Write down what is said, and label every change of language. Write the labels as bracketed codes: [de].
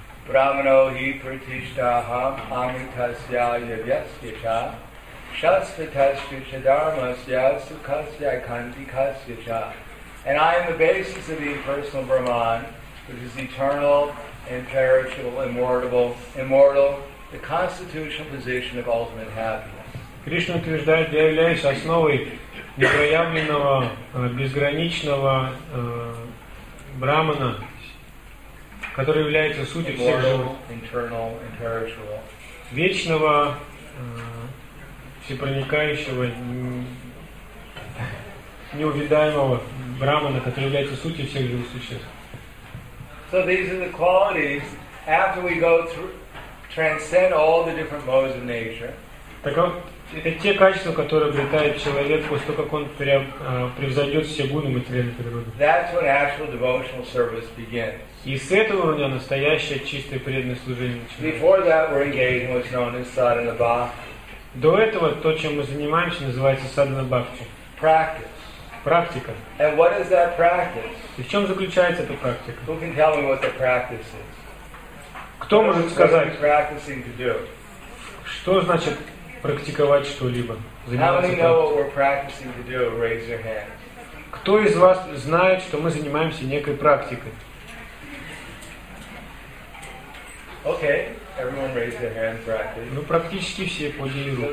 [sa] Брахмано хи пратиштхаам амитасья явьясьяча шасвитасья чадармасья сукасья кандикасьяча. [en] And I am the basis of the impersonal Brahman, which is eternal, imperishable, immortal, the constitutional position of ultimate happiness. [ru] Кришна утверждает, я являюсь основой непроявленного, безграничного Брахмана, который является сутью всех живых. [en] Immortal, eternal, imperishable. [ru] Вечного, всепроникающего, неувидаемого Брахмана, который является сутью всех живых существ. [en] So these are the qualities after we go through, transcend all the different modes of nature. [ru] Так вот, это те качества, которые обретает человек после того, как он превзойдет все гуны материальной природы. [en] That's when actual devotional service begins. [ru] И с этого уровня настоящее чистое преданное служение начинается. [en] Before that we're engaged in what's known as sadhana bhakti. [ru] До этого то, чем мы занимаемся, называется sadhana bhakti. [en] Practice. [ru] Практика. [en] And what is that practice? [ru] И в чем заключается эта практика? [en] Who can tell me what the practice is? [ru] Кто может сказать? [en] What is practicing to do? [ru] Что значит практиковать что-либо? [en] How many know what we're practicing to do? Raise your hand. [ru] Кто из вас знает, что мы занимаемся некой практикой? [en] Okay. Everyone raised their hand practice. [ru] Ну, практически все подняли руку.